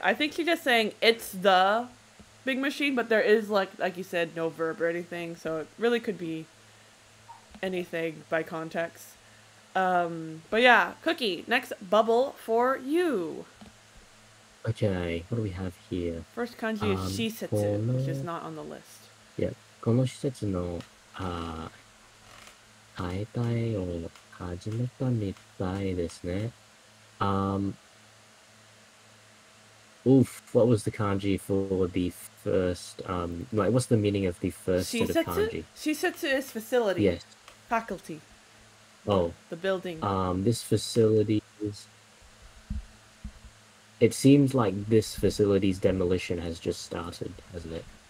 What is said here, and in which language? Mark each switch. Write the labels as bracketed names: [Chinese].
[English] I think she's just saying it's the big machine, but there is, like you said, no verb or anything, so it really could be anything by context. But yeah, Cookie, next bubble for you. Okay, what do we have here? First kanji is shisetsu, which is not on the list. [Japanese] Yeah, この施設の解体を始めたみたいですね。 [English] Oof, what was the kanji for the first, like, what's the meaning of the first set of kanji? Shisetsu is facility. Yes. Faculty. Oh. The building. This facility is, it seems like this facility's demolition has just started, hasn't it?